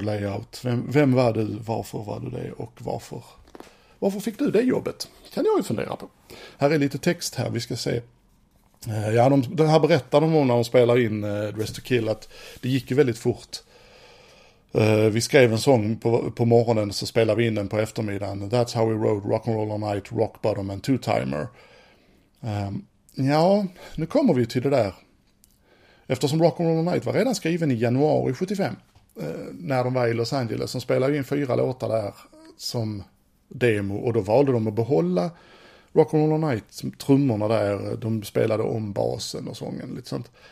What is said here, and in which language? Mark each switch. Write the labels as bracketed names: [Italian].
[Swedish] Layout, vem var du, varför var du det och varför fick du det jobbet? Kan jag ju fundera på. Här är lite text här, vi ska se. Ja, den här berättar de om när de spelar in Dress to Kill att det gick ju väldigt fort. Vi skrev en sång på morgonen, så spelade vi in den på eftermiddagen. [English] That's how we wrote Rock and Roll All Night, Rock Bottom and Two Timer. [Swedish] Ja, nu kommer vi till det där. Eftersom Rock and Roll All Night var redan skriven i januari 75. När de var i Los Angeles, så spelade ju in 4 låtar där som demo. Och då valde de att behålla Rock and Roll All Night, trummorna där, de spelade om basen och sången lite sånt.